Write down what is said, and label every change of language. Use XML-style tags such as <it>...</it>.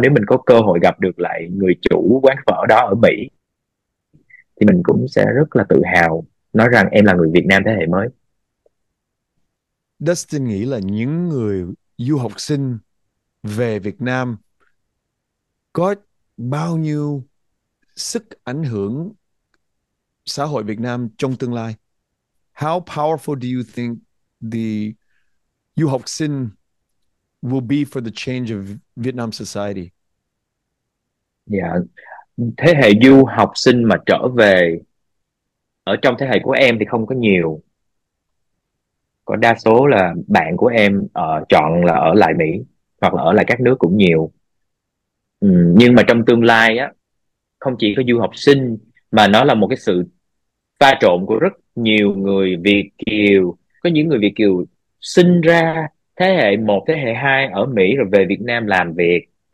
<vi>Nếu mình có cơ hội gặp được lại người chủ quán phở đó ở Mỹ thì mình cũng sẽ rất là tự hào nói rằng em là người Việt Nam thế hệ mới. Dustin nghĩ là những người du học sinh về Việt Nam có bao nhiêu sức ảnh hưởng xã hội Việt Nam trong tương lai?</vi> <en>How powerful do you think the</en> <vi>du học sinh</vi> <en>will be for the change of Vietnam society?</en> <vi>Dạ. Thế hệ du học sinh mà trở về ở trong thế hệ của em thì không có nhiều, có đa số là bạn của em chọn là ở lại Mỹ hoặc là ở lại các nước cũng nhiều. Nhưng mà trong tương lai á, không chỉ có du học sinh mà nó là một cái sự pha trộn của rất nhiều người Việt kiều, có những người Việt kiều sinh ra thế hệ 1, thế hệ 2 ở Mỹ rồi về Việt Nam làm việc.</vi>